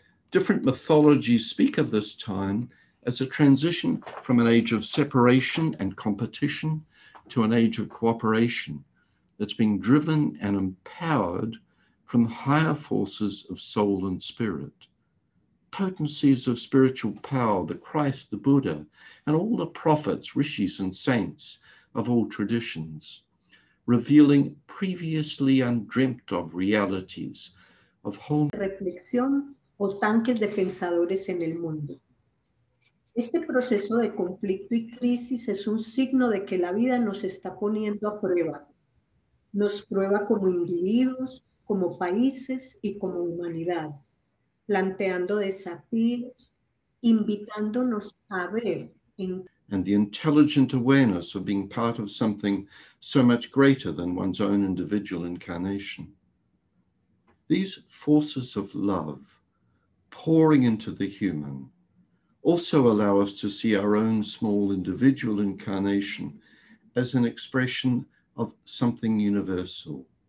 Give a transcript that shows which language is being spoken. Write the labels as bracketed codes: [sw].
[en] Different mythologies speak of this time as a transition from an age of separation and competition to an age of cooperation that's being driven and empowered from higher forces of soul and spirit. Potencies of spiritual power, the Christ, the Buddha, and all the prophets, rishis, and saints of all traditions, revealing previously undreamt of realities of whole [es] reflexión o tanques de pensadores en el mundo. Este proceso de conflicto y crisis es un signo de que la vida nos está poniendo a prueba. Nos prueba como individuos, como países y como humanidad, planteando desafíos, invitándonos a ver. [en] And the intelligent awareness of being part of something so much greater than one's own individual incarnation. These forces of love pouring into the human also allow us to see our own small individual incarnation as an expression of something universal.